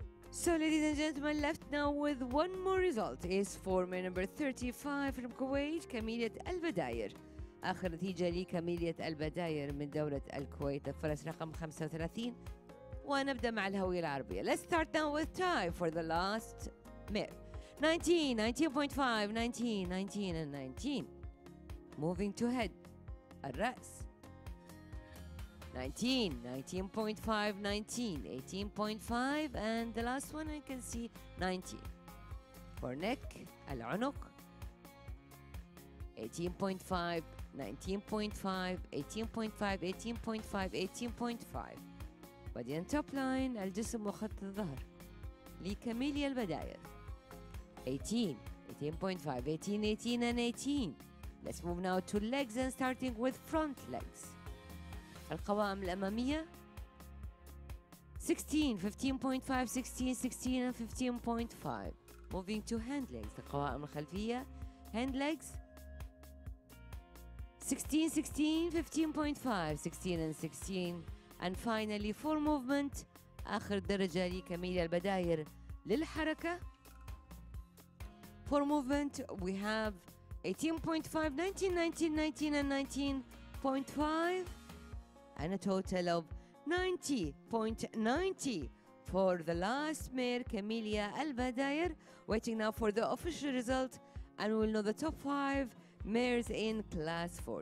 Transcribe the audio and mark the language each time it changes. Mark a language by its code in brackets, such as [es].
[en] So, ladies and gentlemen, left now with one more result is for mare number 35 from Kuwait, Camellia Al-Badayer. [ar] آخر نتيجة لي Camellia Al-Badayer من دولة الكويت. الفرس رقم 35. ونبدأ مع الهوية العربية. [en] Let's start now with tie for the last mare. 19, 19.5, 19, 19 and 19. Moving to head. [ar] الرأس. [en] 19, 19.5, 19, 18.5 and the last one I can see 19. For neck, [ar] العنق [en] 18.5, 19.5, 18.5, 18.5, 18.5. Body and top line, [ar] الجسم وخط الظهر لكاميليا البداير [en] 18, 18.5, 18, 18 and 18. Let's move now to legs and starting with front legs. [ar] القوائم الأمامية 16, 15.5, 16, 16 and 15.5. [en] Moving to hand legs, [ar] القوائم الخلفية [en] hand legs 16, 16, 15.5, 16 and 16. And finally for movement, [ar] آخر درجة لكاميليا البداير للحركة. [en] For movement we have 18.5, 19, 19, 19 and 19.5 and a total of 90.90 for the last mare, Camellia Al-Badayer. Waiting now for the official result, and we'll know the top five mares in class 4.